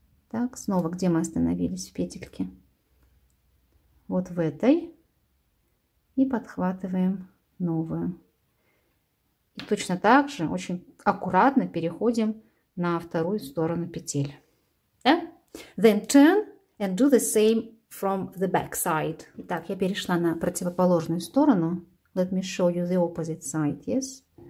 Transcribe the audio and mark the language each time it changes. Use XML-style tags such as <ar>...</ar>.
<ru>Так, снова, где мы остановились в петельке? Вот в этой. И подхватываем новую. И точно так же, очень аккуратно переходим на вторую сторону петель. Да?</ru> <en>Then turn and do the same from the back side.</en> <ru>Итак, я перешла на противоположную сторону.</ru> <en>Let me show you the opposite side, yes?</en>